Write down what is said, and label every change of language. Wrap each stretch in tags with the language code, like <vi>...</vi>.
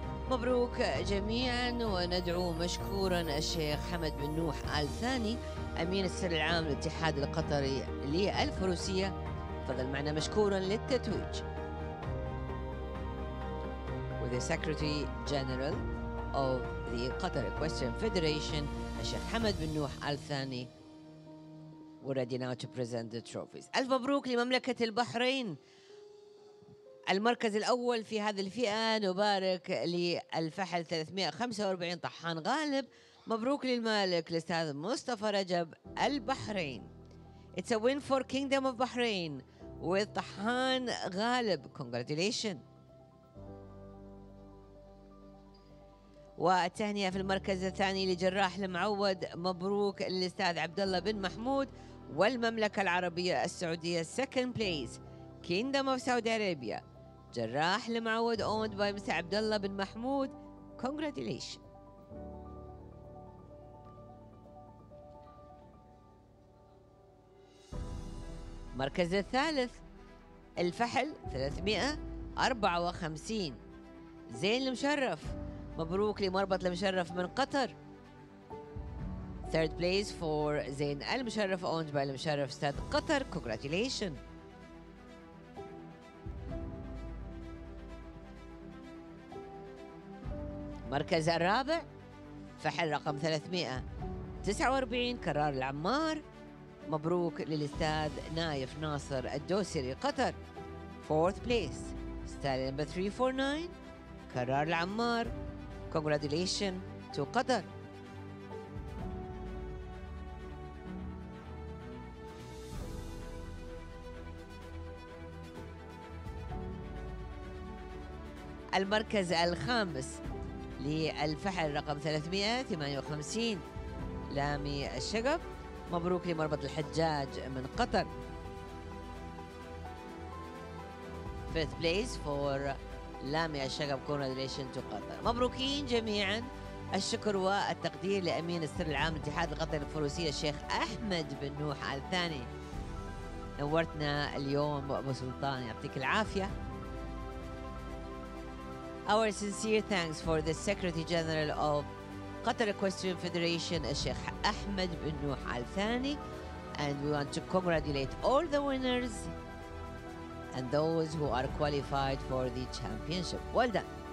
<ar>مبروك جميعا، وندعو مشكورا الشيخ حمد بن نوح آل ثاني أمين السر العام للاتحاد القطري للفروسية، فضل معنا مشكورا للتتويج.</ar> <en>With the Secretary General of the Qatar Equestrian Federation, الشيخ حمد بن نوح آل ثاني, we're ready now to present the trophies.</en> <ar>ألف مبروك لمملكة البحرين المركز الأول في هذه الفئة، نبارك للفحل 345 طحان غالب، مبروك للمالك الأستاذ مصطفى رجب البحرين.</ar> <en>It's a win for Kingdom of Bahrain with طحان غالب. Congratulations.</en> <ar>والتهنئة في المركز الثاني لجراح المعود، مبروك للأستاذ عبد الله بن محمود، والمملكة العربية السعودية</ar> <en>second place Kingdom of Saudi Arabia. جراح المعود owned by مساء عبد الله بن محمود. Congratulations.</en> <ar>مركز الثالث الفحل 354. زين المشرف، مبروك لمربط المشرف من قطر.</ar> <en>Third place for زين المشرف owned by المشرف استاد قطر. Congratulations.</en> <ar>مركز الرابع فحل رقم 349 كرار العمار، مبروك للاستاذ نايف ناصر الدوسري قطر.</ar> <en>Fourth place stallion number 349 كرار العمار، congratulations to قطر.</en> <ar>المركز الخامس للفحل رقم 358 لامي الشقب، مبروك لمربط الحجاج من قطر.</ar> <en>Fifth place for لامي الشقب، congratulations to قطر.</en> <ar>مبروكين جميعا، الشكر والتقدير لأمين السر العام لاتحاد القطر الفروسية الشيخ أحمد بن نوح الثاني، نورتنا اليوم أبو سلطان، يعطيك العافية.</ar> <en>Our sincere thanks for the Secretary General of Qatar Equestrian Federation, Sheikh Ahmed bin Nuh Al Thani, and we want to congratulate all the winners and those who are qualified for the championship. Well done.</en>